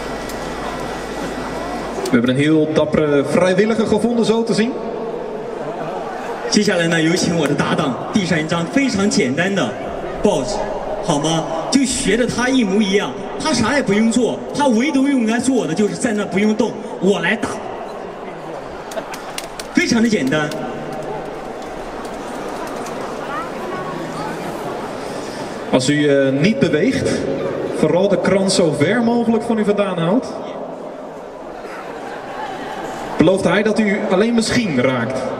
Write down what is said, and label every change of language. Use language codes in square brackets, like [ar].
[nl] We hebben een heel dappere vrijwilliger gevonden, zo te zien. [zh] 接下来呢，有请我的搭档，递上一张非常简单的 boss， 好吗？就学着他一模一样，他啥也不用做，他唯独用来做的就是在那不用动，我来打，非常的简单。 [nl] Als u niet beweegt, vooral de krant zo ver mogelijk van u vandaan houdt. Belooft hij dat u alleen misschien raakt?